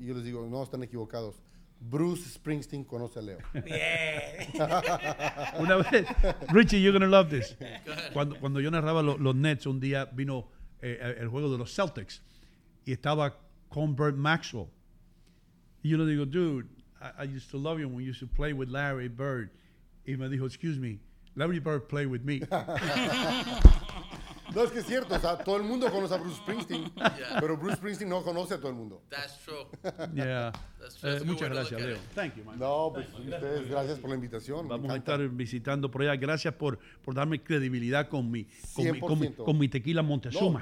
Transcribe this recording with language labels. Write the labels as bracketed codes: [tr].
[es] Y yo les digo, no, están equivocados. Bruce Springsteen conoce a Leo. Una vez, [en] Richie, you're gonna love this. [es] Cuando yo narraba los Nets, un día vino el juego de los Celtics y estaba con Bert Maxwell. Y yo le digo, [en] dude, I used to love you when you used to play with Larry Bird. [es] Y me dijo, [en] excuse me, Larry Bird play with me. [es] No, es que es cierto, o sea, todo el mundo conoce a Bruce Springsteen, yeah, pero Bruce Springsteen no conoce a todo el mundo. [en] That's true. Yeah. That's true. [es] Muchas gracias, [en] Leo. Thank you, man. [es] No, pues thank ustedes, you. Gracias por la invitación. Vamos a estar visitando por allá. Gracias por darme credibilidad con mi tequila Montezuma.